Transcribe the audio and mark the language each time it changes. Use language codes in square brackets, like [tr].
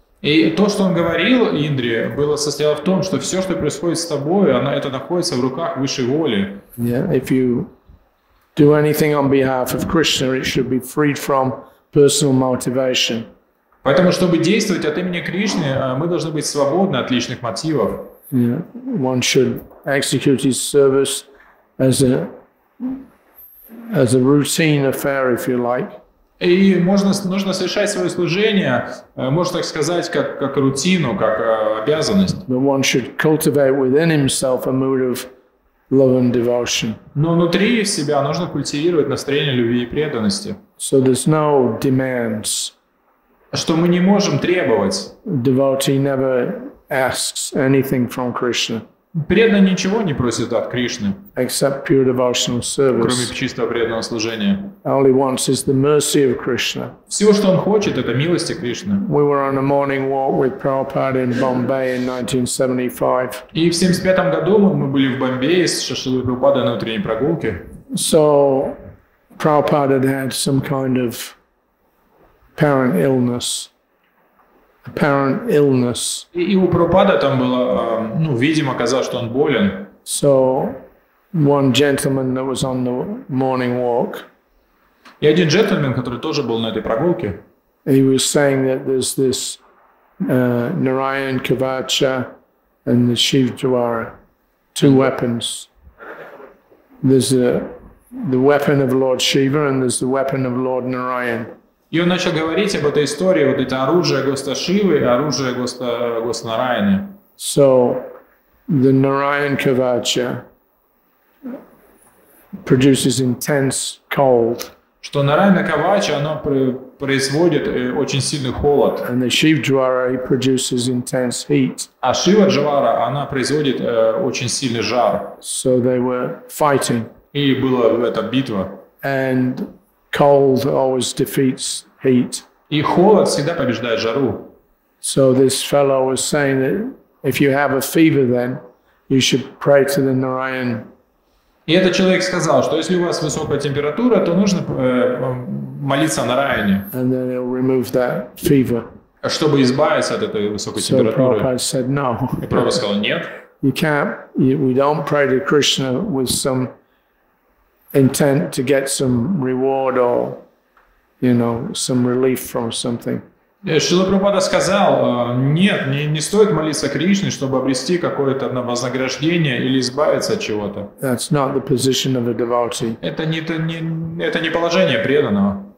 [ru] И то, что он говорил Индре, было состояло в том, что все, что происходит с тобой, оно это находится в руках высшей воли. [en] Yeah, if you do anything on behalf of Krishna, it should be freed from personal motivation. [ru] Поэтому, чтобы действовать от имени Кришны, мы должны быть свободны от личных мотивов. [en] Yeah, one should execute his service as a routine affair, if you like. [ru] И нужно совершать свое служение, можно так сказать, как рутину, как обязанность. [en] But one should cultivate within himself a mood of love and devotion. [ru] Но внутри себя нужно культивировать настроение любви и преданности. [en] So there's no demands. [ru] Что мы не можем требовать. [en] Devotee never asks anything from Krishna. [ru] Преданный ничего не просит от Кришны, [en] except pure devotional service. [ru] Кроме чистого преданного служения. [en] All he wants is the mercy of Krishna. [ru] Всего, что он хочет, это милости Кришны. [en] We were on a morning walk with Prabhupada in Bombay in 1975. [ru] И в 75 году мы были в Бомбее с Шрилой Прабхупадой на утренней прогулке. [en] So Prabhupada had some kind of apparent illness. Apparent illness. [ru] И у Прабхупады там было, видимо, казалось, что он болен. [en] So one gentleman that was on the morning walk. [ru] И один джентльмен, который тоже был на этой прогулке. [en] He was saying that there's this Narayan Kavacha and the Shiv Dwara, two weapons. There's the weapon of Lord Shiva and there's the weapon of Lord Narayan. [ru] И он начал говорить об этой истории, вот это оружие Господа Шивы, оружие Господа Нараяны. [en] So the Narayan Kavacha produces intense cold. [ru] Что Нараяна Кавача, оно производит очень сильный холод. [en] And the Shiv Dwara produces intense heat. [ru] А Шива Двара, она производит очень сильный жар. [en] So they were fighting. [ru] И была эта битва. [en] And cold always defeats heat. [ru] И холод всегда побеждает жару. [en] So this fellow was saying that if you have a fever, then you should pray to the Narayan. [ru] И этот человек сказал, что если у вас высокая температура, то нужно молиться Нараяне. [en] And then he'll remove that fever. [ru] Чтобы избавиться от этой высокой температуры. [en] So Prabhupada said no. [ru] И Прабхупада сказал нет. [en] You can't. We don't pray to Krishna with some intent to get some reward or, you know, some relief from something. [ru] Шрила Прабхупада сказал, нет, не стоит молиться Кришне, чтобы обрести какое-то вознаграждение или избавиться от чего-то. [en] That's not the position of a devotee. [ru] Это не положение преданного.